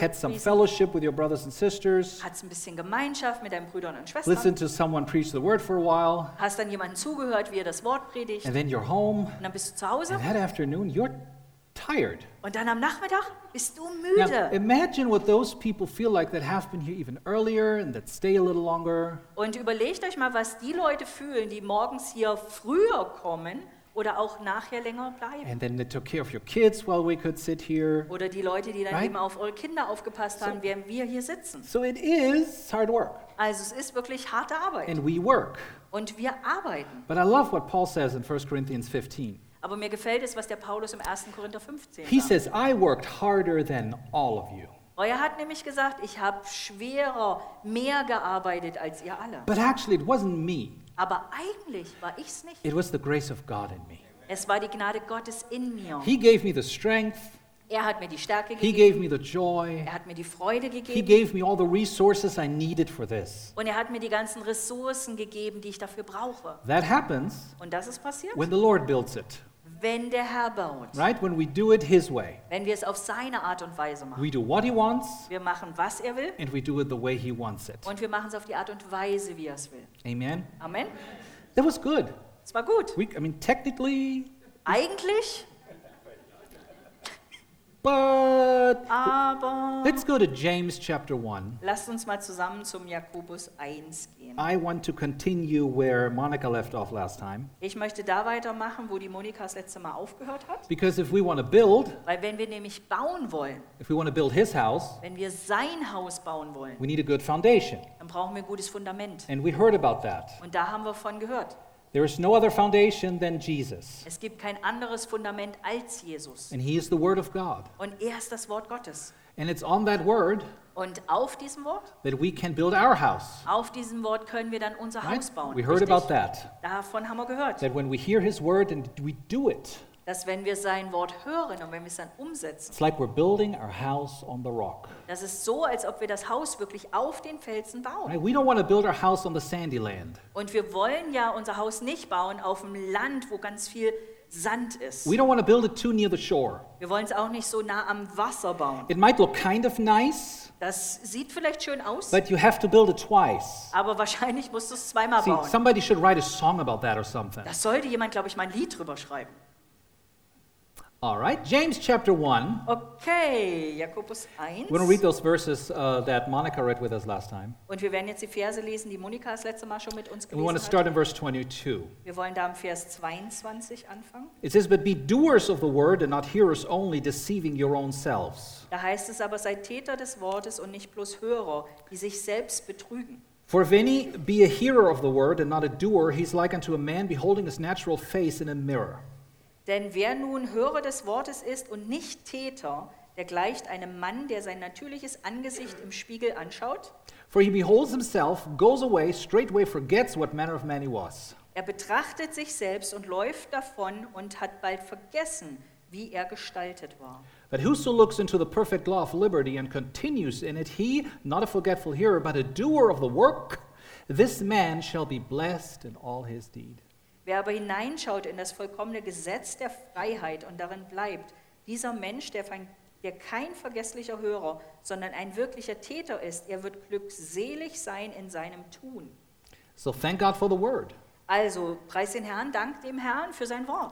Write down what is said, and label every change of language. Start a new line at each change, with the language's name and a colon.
English: Had some fellowship with your brothers and sisters.
German: Hattest ein bisschen Gemeinschaft mit deinen Brüdern und Schwestern.
English: Listened to someone preach the word for a while.
German: Hast dann jemanden zugehört, wie er das Wort predigt.
English: And then you're home.
German: Und dann bist du zu Hause.
English: And that afternoon you're tired.
German: Und dann am Nachmittag bist du müde.
English: Now, imagine what those people feel like that have been here even earlier and that stay a little longer.
German: Und überlegt euch mal, was die Leute fühlen, die morgens hier früher kommen. Oder auch nachher länger bleiben.
English: And then they took care of your kids while we could sit here.
German: Oder die Leute, die dann eben auf eure Kinder aufgepasst haben, während wir hier sitzen.
English: So it is hard work.
German: Also es ist wirklich harte Arbeit.
English: And we work.
German: Und wir arbeiten.
English: But I love what Paul says in 1 Corinthians 15.
German: Aber mir gefällt es, was der Paulus im 1. Korinther 15 sagt.
English: He says, I worked harder than all of you.
German: Er hat nämlich gesagt, ich habe schwerer, mehr gearbeitet als ihr alle.
English: But actually it wasn't me.
German: Aber eigentlich war ich's nicht.
English: It was the grace of God in me.
German: Es war die Gnade Gottes in mir.
English: He gave me the strength.
German: Er hat mir die Stärke gegeben.
English: He gave me the joy.
German: Er hat mir die Freude gegeben.
English: He gave me all the resources I needed for this.
German: Und er hat mir die ganzen Ressourcen gegeben, die ich dafür brauche.
English: That happens.
German: Und das ist passiert.
English: When the Lord builds it.
German: Wenn der Herr baut.
English: Right? When we do it his way.
German: Wenn wir es auf seine Art und Weise machen.
English: We do what he wants.
German: Wir machen, was er will.
English: And we do it the way he wants it.
German: Und wir machen es auf die Art und Weise, wie er es will. Amen. Amen.
English: That was good.
German: Es war gut.
English: Technically.
German: Eigentlich.
English: But.
German: Aber.
English: Let's go to James chapter 1.
German: Lasst uns mal zusammen zum Jakobus 1 gehen.
English: I want to continue where Monica left off last time.
German: Ich möchte da weitermachen, wo die Monika das letzte Mal aufgehört hat.
English: Because if we want to build.
German: Weil wenn wir nämlich bauen wollen.
English: If we want to build his house.
German: Wenn wir sein Haus bauen wollen.
English: We need a good foundation.
German: Dann brauchen wir ein gutes Fundament.
English: And we heard about that.
German: Und da haben wir von gehört.
English: There is no other foundation than Jesus.
German: Es gibt kein anderes Fundament als Jesus.
English: And he is the word of God.
German: Und er ist das Wort Gottes.
English: And it's on that word.
German: Und auf diesem Wort.
English: That we can build our house.
German: Auf diesem Wort können wir dann unser Haus bauen.
English: We heard
German: Richtig.
English: About that.
German: Davon haben wir gehört.
English: That when we hear his word and we do it.
German: Dass wenn wir sein Wort hören und wenn wir es dann umsetzen.
English: It's like we're building our house on the rock.
German: Das ist so, als ob wir das Haus wirklich auf den Felsen bauen.
English: Right? We don't want to build our house on the sandy land.
German: Und wir wollen ja unser Haus nicht bauen auf dem Land, wo ganz viel Sand ist.
English: We don't want to build it too near the shore.
German: Wir wollen es auch nicht so nah am Wasser bauen.
English: It might look kind of nice.
German: Das sieht vielleicht schön aus.
English: But you have to build it twice.
German: Aber wahrscheinlich musst du es zweimal
English: See,
German: bauen.
English: Somebody should write a song about that or something.
German: Das sollte jemand, glaube ich, mal ein Lied drüber schreiben.
English: All right, James chapter 1.
German: Okay, Jakobus 1.
English: We're going to read those verses that Monica read with us last time.
German: Und wir werden jetzt die Verse lesen, die Monika das letzte Mal schon mit uns gelesen hat.
English: We want to start in verse 22.
German: Wir wollen da im Vers 22 anfangen.
English: It says, but be doers of the word and not hearers only, deceiving your own selves.
German: Da heißt es aber, seid Täter des Wortes und nicht bloß Hörer, die sich selbst betrügen.
English: For if any be a hearer of the word and not a doer, he's like unto a man beholding his natural face in a mirror.
German: Denn wer nun Hörer des Wortes ist und nicht Täter, der gleicht einem Mann, der sein natürliches Angesicht im Spiegel anschaut.
English: For he beholds himself, goes away, straightway forgets what manner of man he was.
German: Er betrachtet sich selbst und läuft davon und hat bald vergessen, wie er gestaltet war.
English: But whoso looks into the perfect law of liberty and continues in it, he, not a forgetful hearer, but a doer of the work, this man shall be blessed in all his deed.
German: Wer aber hineinschaut in das vollkommene Gesetz der Freiheit und darin bleibt, dieser Mensch, der kein vergesslicher Hörer, sondern ein wirklicher Täter ist, er wird glückselig sein in seinem Tun.
English: So thank God for the word.
German: Also, preis den Herrn, dank dem Herrn für sein Wort.